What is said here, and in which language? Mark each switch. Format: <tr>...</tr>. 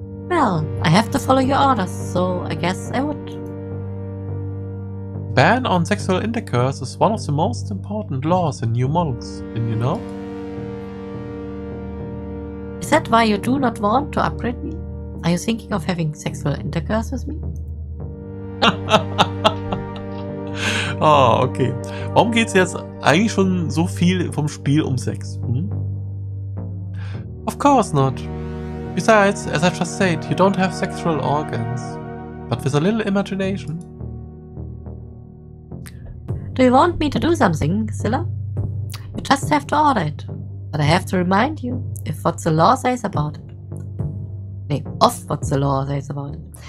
<en>Well, I have to follow your orders, so I guess I would. Ban on sexual intercourse is one of the most important laws in New Monks, didn't you know? Is that why you do not want to upgrade me? Are you thinking of having sexual intercourse with me? Oh, okay.</en> <de>Warum geht's jetzt eigentlich schon so viel vom Spiel um Sex? Hm?</de> <en>Of course not. Besides, as I just said, you don't have sexual organs. But with a little imagination. Do you want me to do something, Scylla? You just have to order it. But I have to remind you if what the law says about it. Nee, of what the law says about it.</en>